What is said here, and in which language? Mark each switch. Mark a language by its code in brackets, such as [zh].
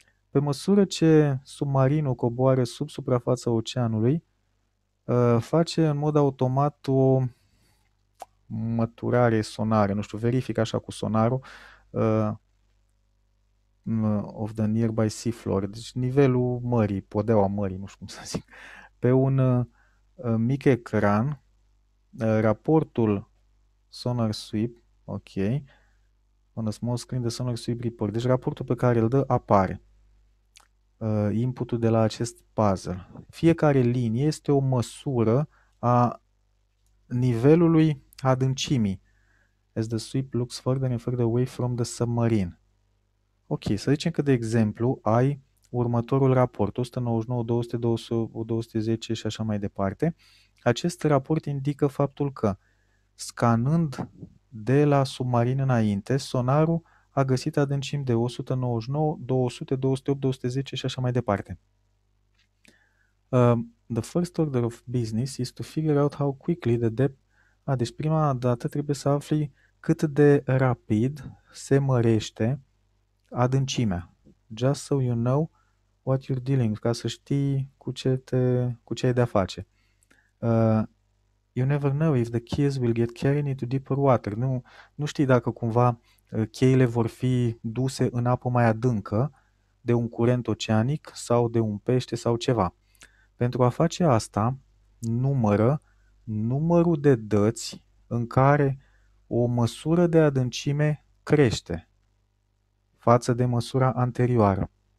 [ro] Pe măsură ce submarinul coboară sub suprafața oceanului, face în mod automat o măturare sonară, nu știu, verifică așa cu sonarul, [en] of the nearby seafloor, [ro] deci nivelul mării, podeaua mării, nu știu cum să zic, pe un mic ecran, raportul Sonar Sweep, ok. [en] On a small screen the Sonar Sweep Report. [ro] Deci raportul pe care îl dă apare. Inputul de la acest puzzle. Fiecare linie este o măsură a nivelului adâncimii. [en] As the sweep looks further and further away from the submarine. [ro] Ok, să zicem că de exemplu ai următorul raport. 199, 200, 210 și așa mai departe. Acest raport indică faptul că scanând de la submarin înainte, sonarul a găsit adâncimi de 199, 200, 208, 210 și așa mai departe. [en] The first order of business is to figure out how quickly the debt. [ro] A, deci prima dată trebuie să afli cât de rapid se mărește adâncimea. [en] Just so you know what you're dealing, [ro] ca să știi cu ce ai de-a face. [en] You never know if the keys will get carried into deeper water. [ro] Nu știi dacă cumva cheile vor fi duse în apă mai adâncă de un curent oceanic sau de un pește sau ceva. Pentru a face asta, numără numărul de dăți în care o măsură de adâncime crește față de măsura anterioară.